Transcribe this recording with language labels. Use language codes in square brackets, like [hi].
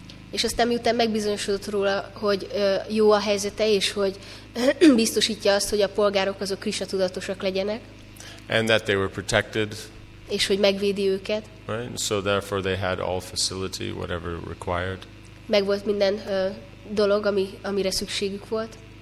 [hu] És aztán miután megbizonyosodott róla, hogy jó a helyzete, és hogy biztosítja azt, hogy a polgárok azok Krishna tudatosak legyenek. [en] And that they were protected. [hu] És hogy megvédi őket. [en] Right? So therefore they had all facility, whatever required. [hu] Meg volt minden dolog, amire szükségük volt.